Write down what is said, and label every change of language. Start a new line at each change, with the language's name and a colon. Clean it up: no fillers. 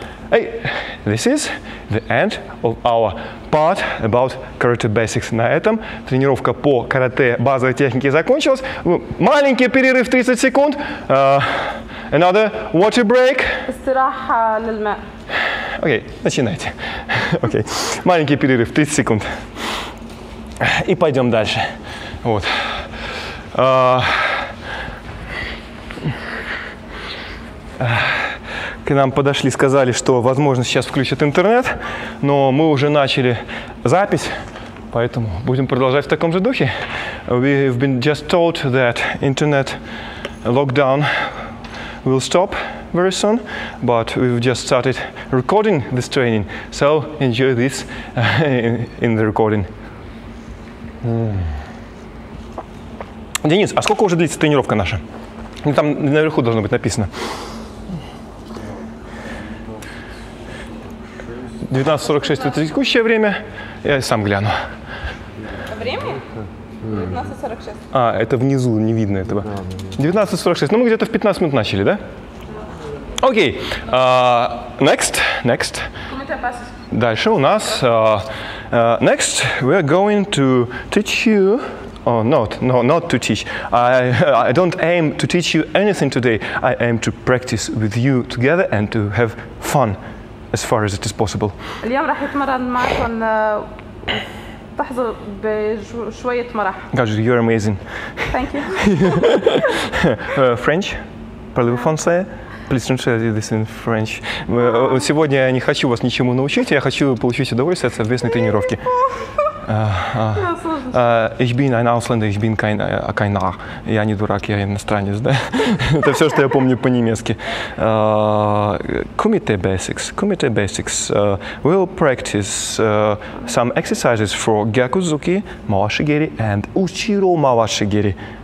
English: Эй, this is the end of our part about karate basics.
Russian: На этом тренировка по карате базовой технике закончилась. Маленький перерыв 30 секунд.
English: Another water break.
Arabic: Истираха лильма.
Russian: Окей, начинайте. Окей, маленький перерыв 30 секунд. И пойдем дальше. Вот. К нам подошли, сказали, что, возможно, сейчас включат интернет, но мы уже начали запись, поэтому будем продолжать в таком же духе.
English: We have been just told that internet lockdown will stop very soon, but we've just started recording this training, so enjoy this in the recording.
Russian: Денис, а сколько уже длится тренировка наша? Ну, там наверху должно быть написано. 19.46 это текущее время. Я сам гляну. Время? 19.46. А, это внизу, не видно этого. 19.46. Ну, мы где-то в 15 минут начали, да? Окей. Next. Дальше у нас...
English: next, we are going to teach you... Not to teach. I don't aim to teach you anything today. I aim to practice with you together and to have fun as far as it is possible.
Arabic: اليوم راح يتمرن معكم تحظى بشوية مرح.
English: God, you're amazing. Thank you. French?
French: Parlez-vous français?
English: Please translate this in French.
Russian: Сегодня я не хочу вас ничему научить, я хочу получить удовольствие от совместной тренировки.
German: Ich bin ein Ausländer, ich bin kein Narr.
Russian: Я не дурак, я иностранец, да? Это все, что я помню по-немецки.
English: Kumite basics. We'll practice some exercises for Gyakuzuki, Mawashigiri and Uchiro Mawashigiri.